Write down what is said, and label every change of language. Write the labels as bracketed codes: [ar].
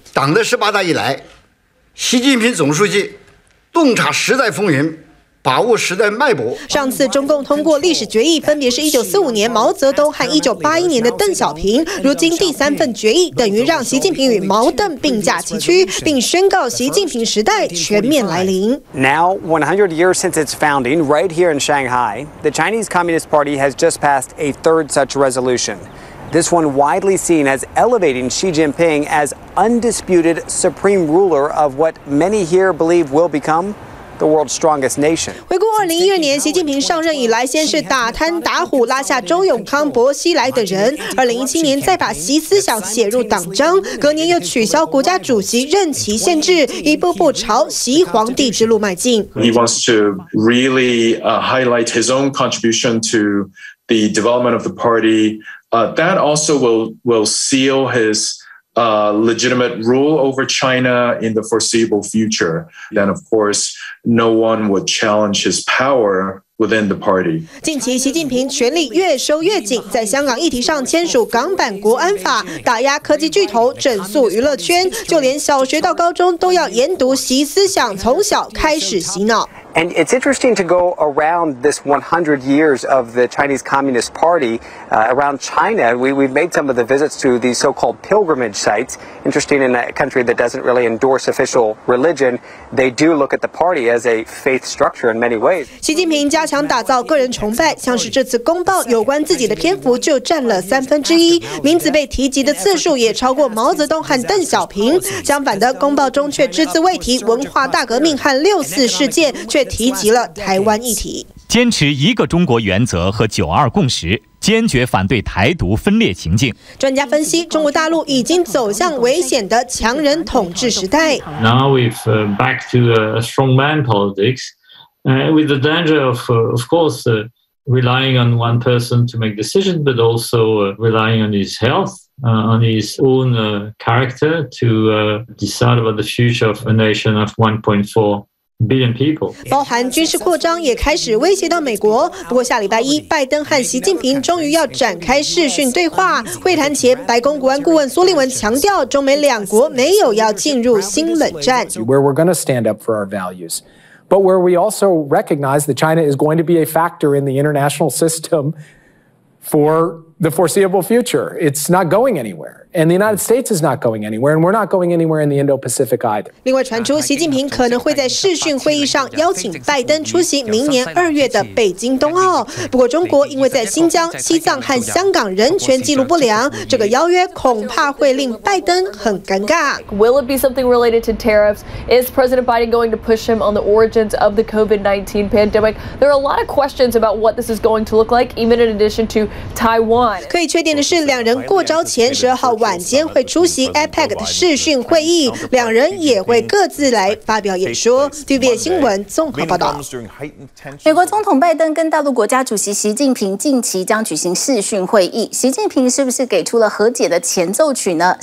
[zh] 党的十八大以来，习近平总书记洞察时代风云，把握时代脉搏。上次中共通过历史决议，分别是1945年毛泽东和1981年的邓小平。如今第三份决议，等于让习近平与毛邓并驾齐驱，并宣告习近平时代全面来临。 [en] Now 100 years since its founding, right here in Shanghai, the Chinese Communist Party has just passed a third such resolution. This one widely seen as elevating Xi Jinping as undisputed supreme ruler of what many here believe will become the world's strongest nation. [zh] 回顾2012年，习近平上任以来，先是打贪打虎，拉下周永康、薄熙来等人；2017年再把习思想写入党章；隔年又取消国家主席任期限制，一步步朝习皇帝之路迈进。 [en] He wants to really highlight his own contribution to the development of the party. That also will seal his legitimate rule over China in the foreseeable future. Then, of course, no one would challenge his power. Within the party. [zh] 近期习近平权力越收越紧，在香港议题上签署港版国安法，打压科技巨头，整肃娱乐圈，就连小学到高中都要研读习思想，从小开始洗脑。 [en] And it's interesting to go around this 100 years of the Chinese Communist Party, around China. We've made some of the visits to these so-called pilgrimage sites. Interesting, in a country that doesn't really endorse official religion, they do look at the party as a faith structure in many ways. [zh] 习近平加强打造个人崇拜，像是这次公报有关自己的篇幅就占了三分之一，名字被提及的次数也超过毛泽东和邓小平。相反的，公报中却只字未提文化大革命和六四事件，却提及了台湾议题。坚持一个中国原则和九二共识，坚决反对台独分裂行径。专家分析，中国大陆已经走向危险的强人统治时代。 [en] Now we've back to a strongman politics. With the danger of, of course, relying on one person to make decisions, but also relying on his health, on his own character to decide about the future of a nation of 1.4 billion people. [zh] 包含军事扩张也开始威胁到美国。不过下礼拜一，拜登和习近平终于要展开视讯对话。会谈前，白宫国安顾问苏利文强调，中美两国没有要进入新冷战。 [en] Where we're going to stand up for our values. But where we also recognize that China is going to be a factor in the international system for the foreseeable future. It's not going anywhere. And the United States is not going anywhere. And we're not going anywhere in the Indo-Pacific either. [zh] 另外传出习近平可能会在视讯会议上邀请拜登出席明年二月的北京冬奥。不过中国因为在新疆、西藏和香港人权记录不良，这个邀约恐怕会令拜登很尴尬。 [en] Will it be something related to tariffs? Is President Biden going to push him on the origins of the COVID-19 pandemic? There are a lot of questions about what this is going to look like, even in addition to Taiwan. [zh] 可以确定的是，两人过招前十二号晚间会出席 APEC 的视讯会议，两人也会各自来发表演说。 TVBS 新闻综合报道。美国总统拜登跟大陆国家主席习近平近期将举行视讯会议，习近平是不是给出了和解的前奏曲呢？